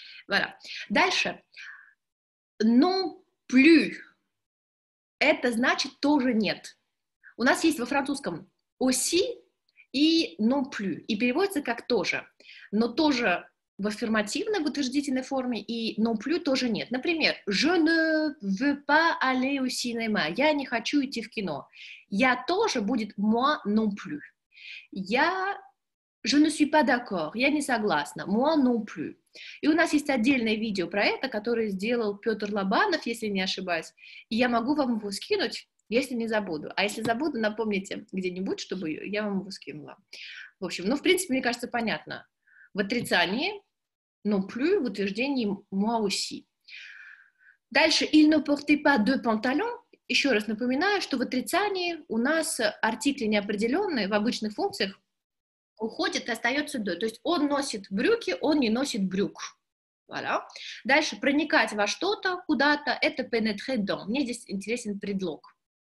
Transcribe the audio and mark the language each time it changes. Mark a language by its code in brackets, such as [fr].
[fr] Voilà. [ru] Дальше. [fr] Non plus. [ru] Это значит тоже нет. У нас есть во французском aussi и non plus. И переводится как тоже. Но тоже в аффирмативной, в утвердительной форме, и non plus тоже нет. Например, [fr] je ne veux pas aller au cinéma. [ru] Я не хочу идти в кино. Я тоже будет [fr] moi non plus. Я je ne suis pas d'accord. [ru] Я не согласна. [fr] Moi non plus. [ru] И у нас есть отдельное видео про это, которое сделал Петр Лобанов, если не ошибаюсь. И я могу вам его скинуть, если не забуду. А если забуду, напомните где-нибудь, чтобы я вам его скинула. В общем, ну, в принципе, мне кажется, понятно. В отрицании non plus, в утверждении [fr] moi aussi. [ru] Дальше, [fr] il ne portait pas de pantalon. [ru] Еще раз напоминаю, что в отрицании у нас артикли неопределенные в обычных функциях уходят и остаются de. То есть он носит брюки, он не носит брюк. [fr] Voilà. [ru] Дальше, проникать во что-то, куда-то, это [fr] pénétrer dans. [ru] Мне здесь интересен предлог.